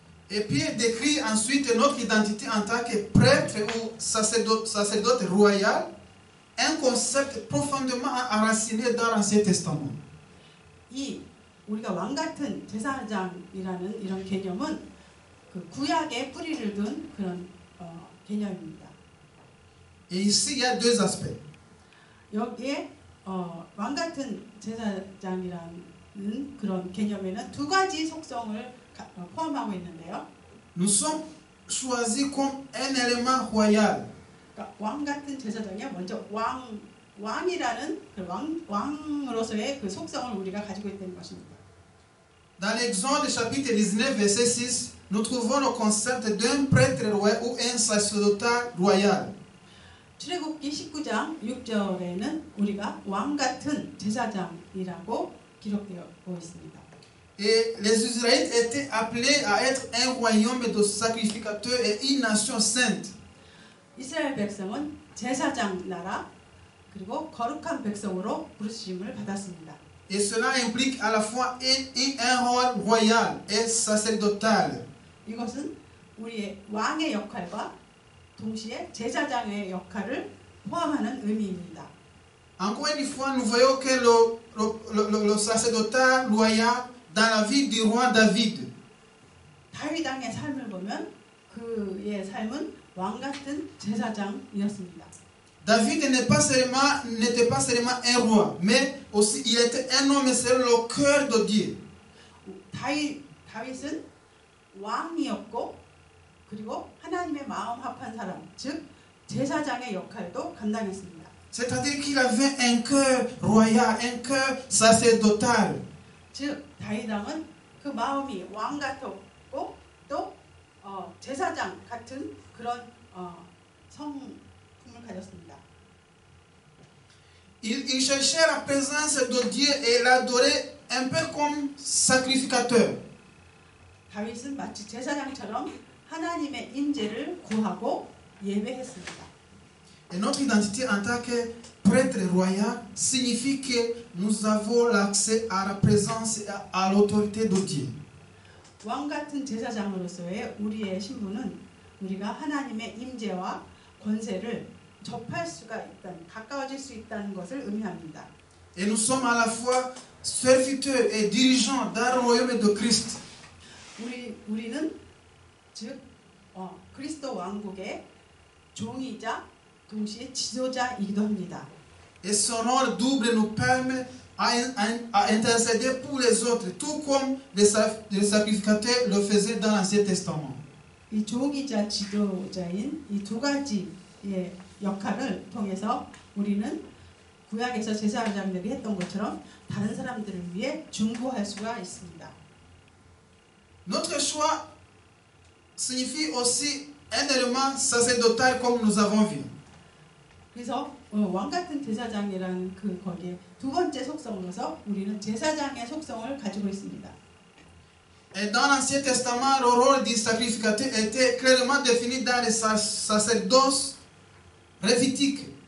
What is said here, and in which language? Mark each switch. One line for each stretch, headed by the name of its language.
French: Et Pierre décrit ensuite notre identité en tant que prêtre ou sacerdote royal. Un concept profondément enraciné dans l'Ancien Testament.
Korean: 이 우리가 왕 같은 제사장이라는 이런 개념은 그 구약의 뿌리를 둔 그런 개념입니다.
French: Et ici, il y a deux aspects.
Korean: 여기에 왕 같은 제사장이라는 그런 개념에는 두 가지 속성을 포함하고 있는데요.
French: Nous sommes choisi comme un élément royal.
Korean: 그러니까 왕 같은 제사장이야. 먼저 왕 왕이라는 그 왕 왕으로서의 그 속성을 우리가 가지고 있다는 것입니다.
French: Dans l'Exode chapitre 19 verset 6, nous trouvons le concept d'un prêtre royal ou un sacerdote royal.
Korean: 출애굽기 19장 6절에는 우리가 왕 같은 제사장이라고 기록되어 있습니다.
French: Et les Israélites étaient appelés à être un royaume de sacrificateurs et une nation sainte.
Korean: 이스라엘 백성은 제사장 나라 그리고 거룩한 백성으로 부르심을 받았습니다.
French: Et cela implique à la fois un rôle royal et sacerdotal.
Korean: 이것은 우리의 왕의 역할과 동시에 제사장의 역할을 포함하는 의미입니다.
French: Encore une fois, nous voyons que le sacerdoce royal dans la vie du roi David.
Korean: 다윗왕의 삶을 보면 그의 삶은 왕 같은 제사장이었습니다.
French: David n'était pas seulement un roi, mais aussi il était un homme selon le cœur de Dieu.
Korean: 다윗은 왕이었고 그리고 하나님의 마음 합한 사람, 즉 제사장의 역할도 감당했습니다.
French: C'est-à-dire qu'il avait un cœur royal, un cœur sacerdotal.
Korean: 즉 다윗왕은 그 마음이 왕 같았고 또 제사장 같은 그런 성품을 가졌습니다.
French: Il cherchait la présence de Dieu et l'adorait un peu comme sacrificateur.
Korean: 다윗은 마치 제사장처럼 하나님의 임재를 구하고 예배했습니다.
French: Et notre identité en tant que prêtre royal signifie que nous avons l'accès à la présence et à l'autorité de Dieu.
Korean: 왕 같은 제사장으로서의 우리의 신분은 우리가 하나님의 임재와 권세를 접할 수가 있다, 가까워질 수 있다는 것을 의미합니다.
French: Et nous sommes à la fois serviteurs et dirigeants dans le royaume de Christ.
Korean: 우리는 즉 그리스도 왕국의 종이자 동시에 지도자이기도 합니다.
French: Et son rôle double nous permet à intercéder pour les autres, tout comme les sacrificateurs le faisaient dans l'Ancien Testament.
Korean: 이 종이자 지도자인 이 두 가지의 역할을 통해서 우리는 구약에서 제사장들이 했던 것처럼 다른 사람들을 위해 중보할 수가 있습니다.
French: Notre choix signifie aussi un élément sacerdotal comme nous avons vu.
Korean: 그래서 왕 같은 제사장이라는 그 거기에 두 번째 속성으로서 우리는 제사장의 속성을 가지고 있습니다.
French: Et dans l'Ancien Testament, le rôle du sacrificateur était clairement défini dans les sacerdoces lévitiques.